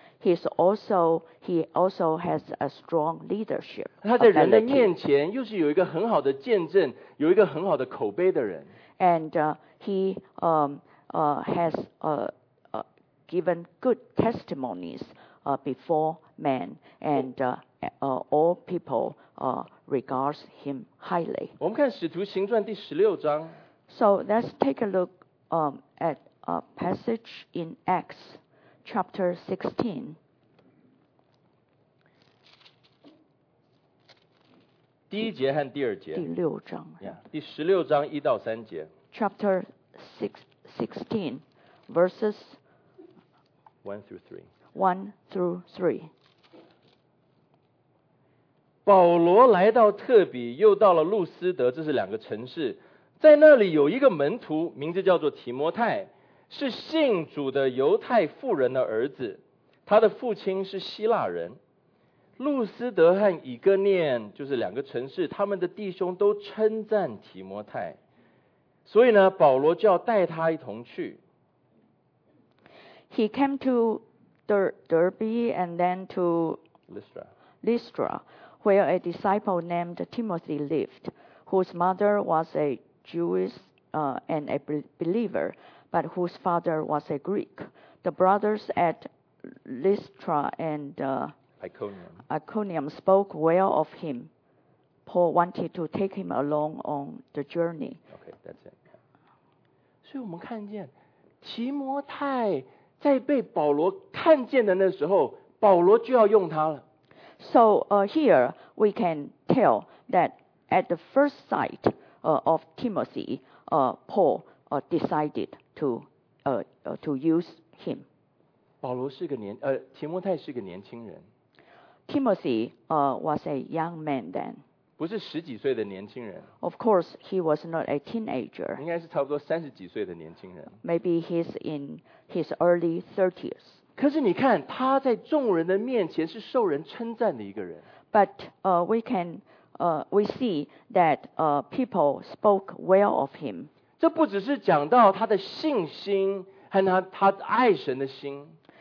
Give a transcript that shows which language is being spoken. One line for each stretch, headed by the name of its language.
English: He also has a strong leadership.
Chinese: 他在人的面前又是有一个很好的见证，有一个很好的口碑的人。
English: And he has given good testimonies before men and all people regards him highly.
Chinese: 我们看《使徒行传》第十六章。
English: So let's take a look at a passage in Acts chapter 16.
Chinese: 第一节和第二节。第六章。第十六章一到三节。
English: Chapter 16, verses 1 through 3.
Chinese: 保罗来到特比，又到了路斯德，这是两个城市，在那里有一个门徒，名字叫做提摩太，是信主的犹太妇人的儿子，他的父亲是希腊人。路斯德和以哥念，就是两个城市，他们的弟兄都称赞提摩太，所以呢，保罗就要带他一同去。
English: He came to Derbe and then to Lystra. Where a disciple named Timothy lived, whose mother was a Jewish and a believer, but whose father was a Greek. The brothers at Lystra and Iconium spoke well of him. Paul wanted to take him along on the journey. Okay, that's it.
Chinese: 所以我们看见提摩太在被保罗看见的那时候，保罗就要用他了。
English: So here we can tell that at the first sight of Timothy, Paul decided to use him.
Chinese: 保罗是个年呃，提摩太是个年轻人。
English: Timothy was a young man then.
Chinese: 不是十几岁的年轻人。
English: Of course, he was not a teenager.
Chinese: 应该是差不多三十几岁的年轻人。
English: Maybe he's in his early 30s.
Chinese: 可是你看，他在众人的面前是受人称赞的一个人。
English: But we can we see that people spoke well of him.
Chinese: 这不只是讲到他的信心和他爱神的心。